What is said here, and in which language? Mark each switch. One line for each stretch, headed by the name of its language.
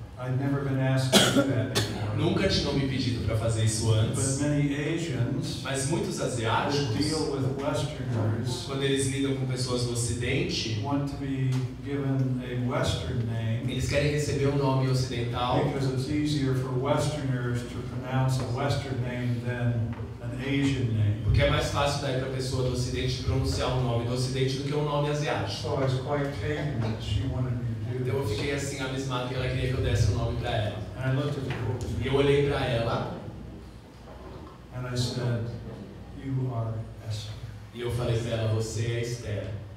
English: I'd never been asked to do that before.
Portuguese: Nunca tinham me pedido para fazer isso antes.
English: But many Asians,
Portuguese: mas muitos asiáticos,
English: deal with Westerners,
Portuguese: quando eles lidam com pessoas do Ocidente,
English: want to be given a Western name.
Portuguese: Eles querem receber um nome ocidental.
English: Because it's easier for Westerners to pronounce a Western name than an Asian name.
Portuguese: Porque é mais fácil daí para a pessoa do Ocidente pronunciar um nome do Ocidente do que um nome asiático.
English: So I was quite taken that she wanted me.
Portuguese: Eu fiquei assim abismado que ela queria que eu desse o nome para ela.
English: And I looked at the girl.
Portuguese: E eu olhei para ela.
English: And I said, you are Esther.
Portuguese: E eu falei para ela, você é Esther.